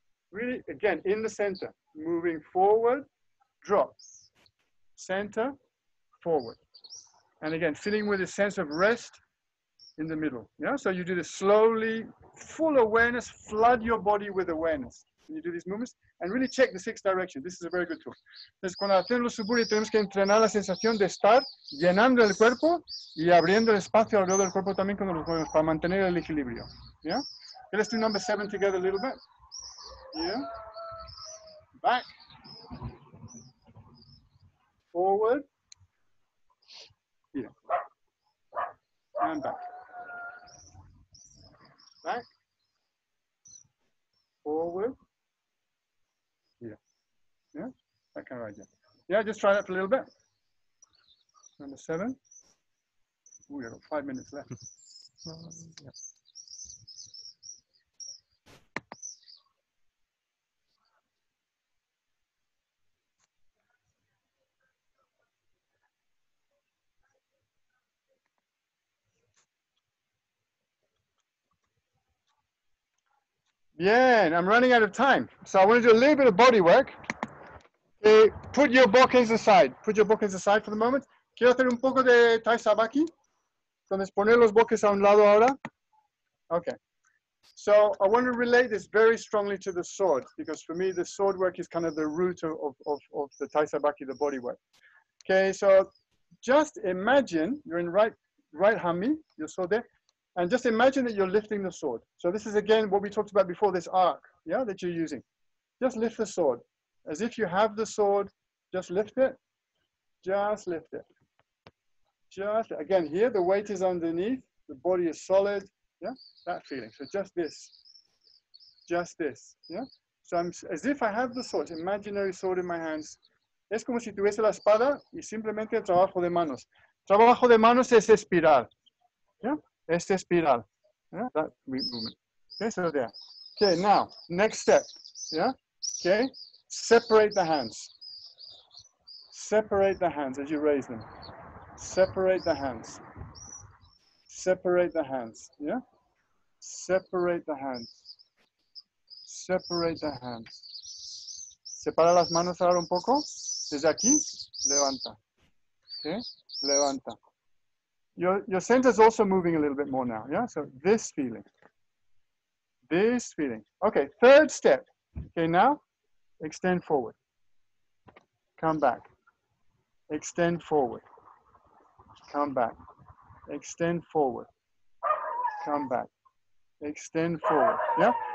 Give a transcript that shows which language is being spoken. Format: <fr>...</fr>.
<en>Really, again, in the center, moving forward, drop, center, forward. And again, filling with a sense of rest in the middle. Yeah, so you do this slowly, full awareness, flood your body with awareness. And you do these movements and really check the six directions. This is a very good tool.</en> <es>Entonces, cuando hacemos los suburi, tenemos que entrenar la sensación de estar llenando el cuerpo y abriendo el espacio alrededor del cuerpo también cuando los movemos para mantener el equilibrio.</es> <en>Yeah, let's do number seven together a little bit. Here, back, forward, here, and back, back, forward, here, yeah, that kind of idea. Yeah, just try that for a little bit. Number seven. Ooh, we have 5 minutes left. Yeah. Yeah, and I'm running out of time. So I want to do a little bit of body work. Okay, put your bokens aside. Put your bokens aside for the moment.</en> <es>Quiero hacer un poco de tai sabaki. Entonces poner los bokens a un lado ahora.</es> <en>Okay. So I want to relate this very strongly to the sword, because for me the sword work is kind of the root of the tai sabaki, the body work. Okay, so just imagine you're in right hami, your sword there. And just imagine that you're lifting the sword. So this is again what we talked about before, this arc, yeah, that you're using. Just lift the sword. As if you have the sword, just lift it. Just lift it. Just, again, here the weight is underneath, the body is solid, yeah, that feeling. So just this. Just this, yeah. So I'm, as if I have the sword, imaginary sword in my hands.</en> <es>Es como si tuviese la espada y simplemente el trabajo de manos. Trabajo de manos es espiral, yeah. Este espiral, yeah,</es> <en>that movement. Okay, so there. Okay, now, next step, yeah? Okay, separate the hands. Separate the hands as you raise them. Separate the hands. Separate the hands, yeah? Separate the hands. Separate the hands.</en> <es>Separa las manos ahora un poco. Desde aquí, levanta. Okay, levanta.</es> <en>Your center is also moving a little bit more now. Yeah, so this feeling. This feeling. Okay, third step. Okay, now extend forward. Come back. Extend forward. Come back. Extend forward. Come back. Extend forward. Yeah?</en>